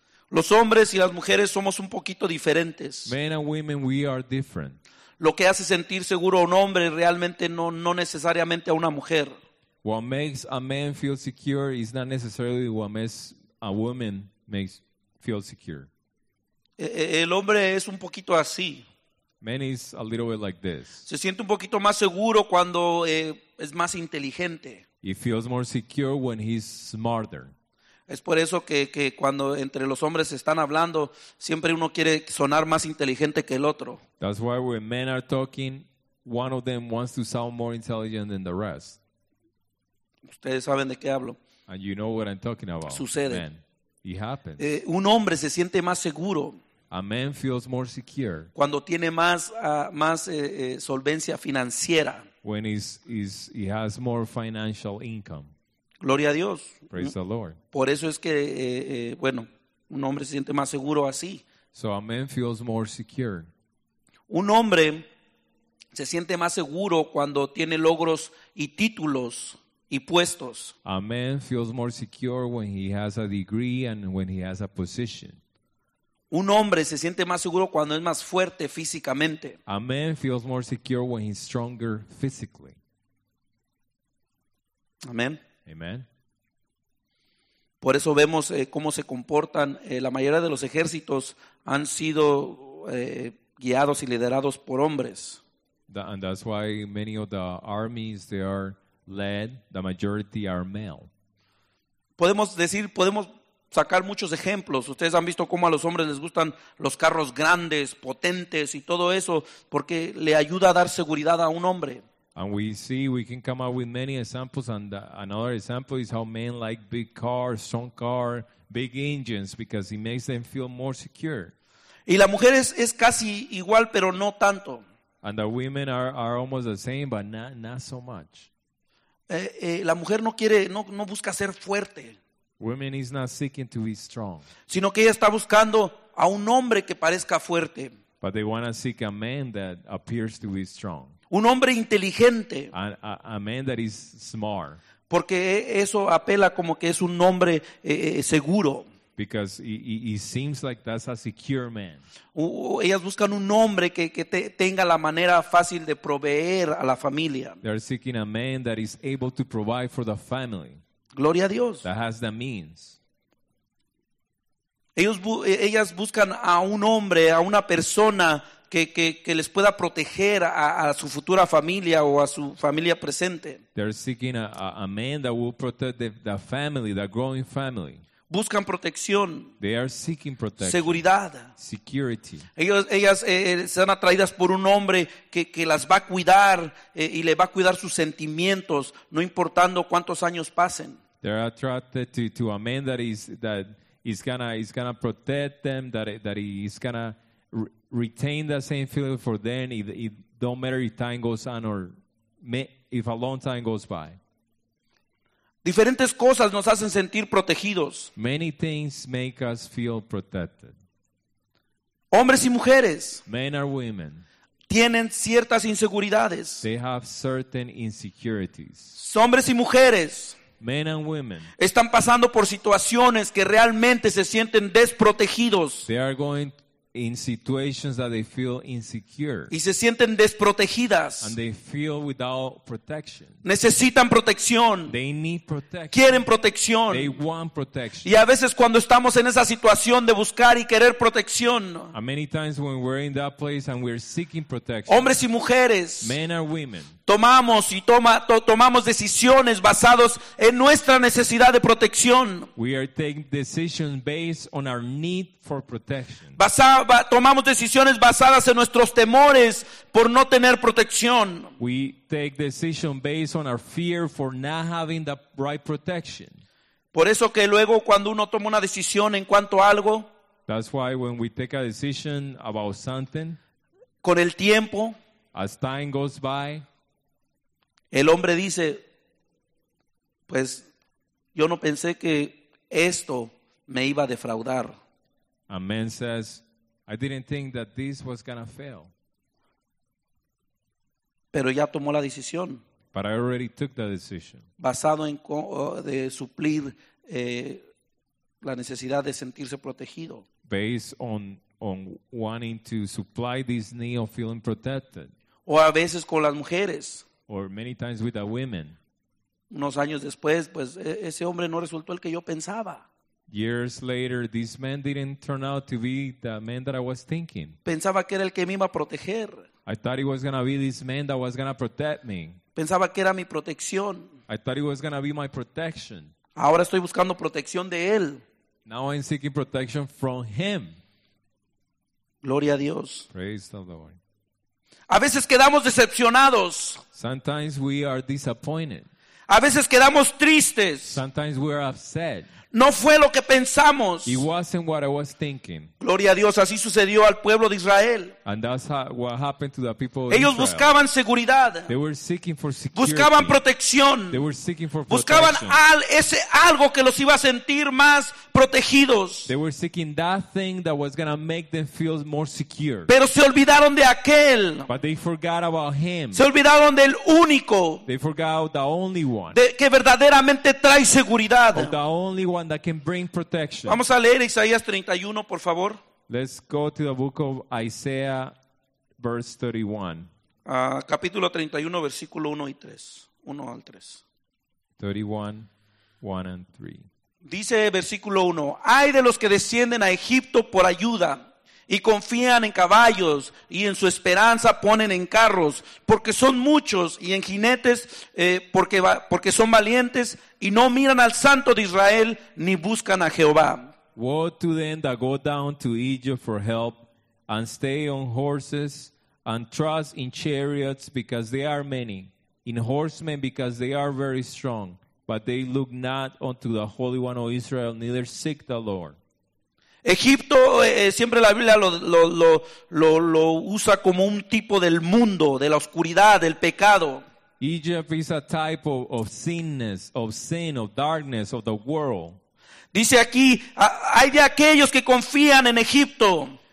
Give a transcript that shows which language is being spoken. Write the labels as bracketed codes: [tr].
[es] Los hombres y las mujeres somos un poquito diferentes. [en] Men and women, we are different. [es] Lo que hace sentir seguro a un hombre realmente no necesariamente a una mujer. [en] What makes a man feel secure is not necessarily what makes a woman makes feel secure. [es] El hombre es un poquito así. [en] Man is a little bit like this. [es] Se siente un poquito más seguro cuando es más inteligente. [en] He feels more secure when he's smarter. [es] Es por eso que cuando entre los hombres están hablando, siempre uno quiere sonar más inteligente que el otro. [en] That's why when men are talking, one of them wants to sound more intelligent than the rest. [es] Ustedes saben de qué hablo. [en] And you know what I'm talking about. [es] Sucede. [en] Man, it happens. [es] Un hombre se siente más seguro. [en] A man feels more secure. [es] Cuando tiene más solvencia financiera. [en] When he has more financial income. [es] Gloria a Dios. [en] Praise the Lord. [es] Por eso es que, un hombre se siente más seguro así. [en] So a man feels more secure. [es] Un hombre se siente más seguro cuando tiene logros y títulos. Y puestos. [en] A man feels more secure when he has a degree and when he has a position. [es] Un hombre se siente más seguro cuando es más fuerte físicamente. [en] A man feels more secure when he's stronger physically. Amen. Amen. [es] Por eso vemos cómo se comportan. La mayoría de los ejércitos han sido guiados y liderados por hombres. [en] And that's why many of the armies, they are led, the majority are male. [es] Podemos decir, podemos sacar muchos ejemplos. Ustedes han visto cómo a los hombres les gustan los carros grandes, potentes y todo eso, porque le ayuda a dar seguridad a un hombre. [en] And we see, we can come up with many examples, and another example is how men like big cars, strong cars, big engines, because it makes them feel more secure. [es] Y la mujer es casi igual, pero no tanto. [en] And the women are almost the same, but not so much. [es] La mujer no quiere, no busca ser fuerte. [en] Women is not seeking to be strong. [es] Sino que ella está buscando a un hombre que parezca fuerte. [en] But they want to seek a man that appears to be strong. [es] Un hombre inteligente. [en] A man that is smart. [es] Porque eso apela como que es un hombre seguro. [en] Because it seems like that's a secure man. [es] Ellas buscan un hombre que tenga la manera fácil de proveer a la familia. [en] They are seeking a man that is able to provide for the family. [es] Gloria a Dios. [en] That has the means. [es] Ellas buscan a un hombre, a una persona que les pueda proteger a su futura familia o a su familia presente. [en] They are seeking a man that will protect the family, the growing family. [es] Buscan protección. [en] They are seeking protection. [es] Seguridad. [en] Security. [es] Ellas son atraídas por un hombre que las va a cuidar y le va a cuidar sus sentimientos, no importando cuántos años pasen. [en] They are attracted to a man that is gonna protect them, that is gonna retain the same feeling for them. It don't matter if time goes on or if a long time goes by. [es] Diferentes cosas nos hacen sentir protegidos. [en] Many things make us feel protected. [es] Hombres y mujeres. [en] Men or women. [es] Tienen ciertas inseguridades. [en] They have certain insecurities. [es] Hombres y mujeres. [en] Men and women. [es] Están pasando por situaciones que realmente se sienten desprotegidos. [en] They are going in situations that they feel insecure. [es] Y se sienten desprotegidas. [en] And they feel without protection. [es] Necesitan protección. [en] They need protection. [es] Quieren protección. [en] They want protection. [es] Y a veces cuando estamos en esa situación de buscar y querer protección. [en] And many times when we're in that place and we're seeking protection. [es] Hombres y mujeres. [en] Men or women. [es] Tomamos y tomamos decisiones basadas en nuestra necesidad de protección. [en] We are taking decisions based on our need for protection. [es] Tomamos decisiones basadas en nuestros temores por no tener protección. [en] We take decisions based on our fear for not having the right protection. [es] Por eso que luego cuando uno toma una decisión en cuanto a algo, [en] that's why when we take a decision about something, [es] con el tiempo, [en] as time goes by, [es] el hombre dice, pues yo no pensé que esto me iba a defraudar. [en] A man says, I didn't think that this was going to fail. [es] Pero ya tomó la decisión. [en] But I already took the decision. [es] Basado en de suplir la necesidad de sentirse protegido. [en] Based on wanting to supply this need of feeling protected. [es] O a veces con las mujeres. [en] Or many times with the women. [es] Unos años después, pues ese hombre no resultó el que yo pensaba. [en] Years later, this man didn't turn out to be the man that I was thinking. [es] Pensaba que era el que me iba a proteger. [en] I thought he was going to be this man that was going to protect me. [es] Pensaba que era mi protección. [en] I thought he was going to be my protection. [es] Ahora estoy buscando protección de él. [en] Now I'm seeking protection from him. [es] Gloria a Dios. [en] Praise the Lord. [es] A veces quedamos decepcionados. [en] Sometimes we are disappointed. [es] A veces quedamos tristes. [en] Sometimes we are upset. [es] No fue lo que pensamos. [en] It wasn't what I was thinking. [es] Gloria a Dios, así sucedió al pueblo de Israel. [en] And that's what happened to the people of [es] Ellos [en] Israel. [es] Ellos buscaban seguridad. [en] They were seeking for security. [es] Buscaban protección. [en] They were seeking for protection. [es] Buscaban ese algo que los iba a sentir más protegidos. [en] They were seeking that thing that was going to make them feel more secure. [es] Pero se olvidaron de aquel. [en] But they forgot about him. [es] Se olvidaron del único. [en] They forgot the only one. [es] De que verdaderamente trae seguridad. [en] Of the only one that can bring protection. [es] Vamos a leer Isaías 31, por favor. [en] Let's go to the book of Isaiah, verse 31. [es] Capítulo 31, versículo 1 y 3. 1 al 3. [en] 31, 1 and 3. [es] Dice versículo 1: ¡Ay de los que descienden a Egipto por ayuda y confían en caballos y en su esperanza ponen en carros, porque son muchos y en jinetes, porque son valientes y no miran al Santo de Israel ni buscan a Jehová. [en] Woe to them that go down to Egypt for help and stay on horses and trust in chariots because they are many, in horsemen because they are very strong, but they look not unto the Holy One of Israel, neither seek the Lord. [es] Egipto, siempre la Biblia lo usa como un tipo del mundo, de la oscuridad, del pecado. [en] Egypt is a type of sinness, of sin, of darkness, of the world. [es] Dice aquí, hay de aquellos que confían en Egipto.